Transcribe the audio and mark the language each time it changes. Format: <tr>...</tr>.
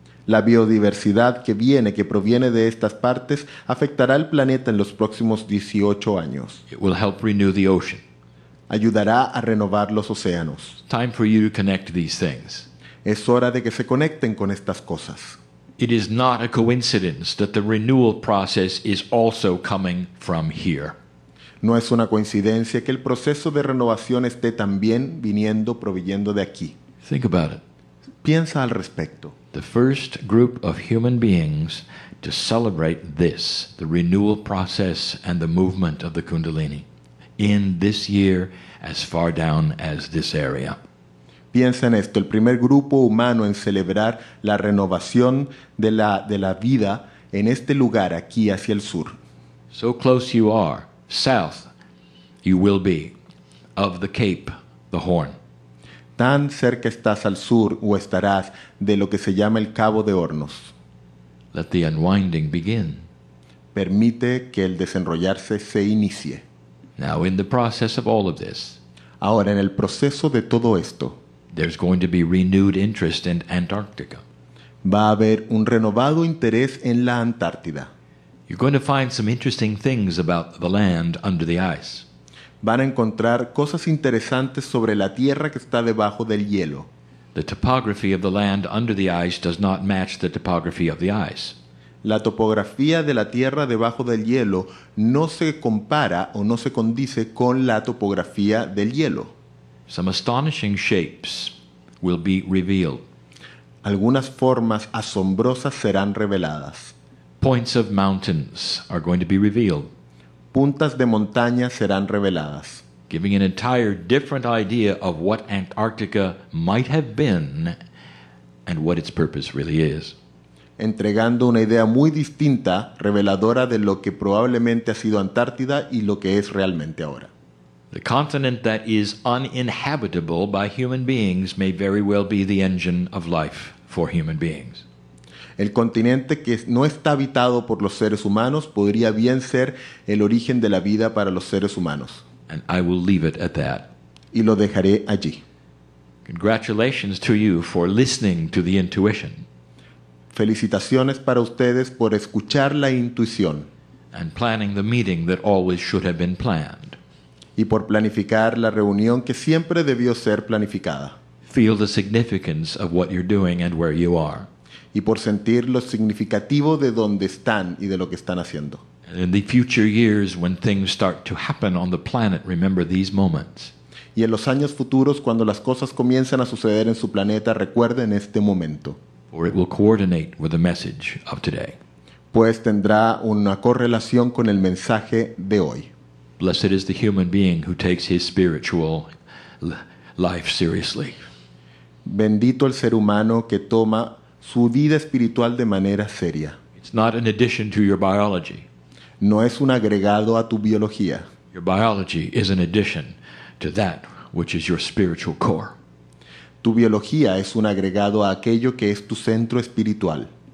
<es>La biodiversidad que viene, que proviene de estas partes, afectará al planeta en los próximos 18 años.</es> <en>It will help renew the ocean.</en> <es>Ayudará a renovar los océanos.</es> <en>Time for you to connect these things.</en> <es>Es hora de que se conecten con estas cosas.</es> <en>It is not a coincidence that the renewal process is also coming from here.</en> <es>No es una coincidencia que el proceso de renovación esté también viniendo, proviniendo de aquí.</es> <en>Think about it.</en> <es>Piensa al respecto.</es> <en>The first group of human beings to celebrate this, the renewal process and the movement of the Kundalini, in this year, as far down as this area.</en> <es>Piensa en esto, el primer grupo humano en celebrar la renovación de la vida en este lugar, aquí hacia el sur.</es> <en>So close you are. South, you will be, of the Cape, the Horn.</en> <es>Tan cerca estás al sur o estarás de lo que se llama el Cabo de Hornos.</es> <en>Let the unwinding begin.</en> <es>Permite que el desenrollarse se inicie.</es> <en>Now in the process of all of this.</en> <es>Ahora en el proceso de todo esto.</es> <en>There's going to be renewed interest in Antarctica.</en> <es>Va a haber un renovado interés en la Antártida.</es> <en>You're going to find some interesting things about the land under the ice.</en> <es>Van a encontrar cosas interesantes sobre la tierra que está debajo del hielo.</es> <en>The topography of the land under the ice does not match the topography of the ice.</en> <es>La topografía de la tierra debajo del hielo no se compara o no se condice con la topografía del hielo.</es> <en>Some astonishing shapes will be revealed.</en> <es>Algunas formas asombrosas serán reveladas.</es> <en>Points of mountains are going to be revealed.</en> <es>Puntas de montaña serán reveladas.</es> <en>Giving an entire different idea of what Antarctica might have been and what its purpose really is.</en> <es>Entregando una idea muy distinta, reveladora de lo que probablemente ha sido Antártida y lo que es realmente ahora.</es> <en>The continent that is uninhabitable by human beings may very well be the engine of life for human beings.</en> <es>El continente que no está habitado por los seres humanos podría bien ser el origen de la vida para los seres humanos.</es> <en>And I will leave it at that.</en> <es>Y lo dejaré allí.</es> <en>Congratulations to you for listening to the intuition.</en> <es>Felicitaciones para ustedes por escuchar la intuición.</es> <en>And planning the meeting that always should have been planned.</en> <es>Y por planificar la reunión que siempre debió ser planificada.</es> <en>Feel the significance of what you're doing and where you are.</en> <es>Y por sentir lo significativo de dónde están y de lo que están haciendo.</es> <en>In the future years when things start to happen on the planet, remember these moments.</en> <es>Y en los años futuros cuando las cosas comienzan a suceder en su planeta, recuerden este momento.</es> <en>For it will coordinate with the message of today.</en> <es>Pues tendrá una correlación con el mensaje de hoy.</es> <en>Blessed is the human being who takes his spiritual life seriously.</en> <es>Bendito el ser humano que toma su vida espiritual de manera seria.</es> <en>It's not an addition to your biology.</en> <es>No es un agregado a tu biología.</es> <en>Your biology is an addition to that which is your spiritual core.</en> <es>Tu biología es un agregado a aquello que es tu centro espiritual.</es>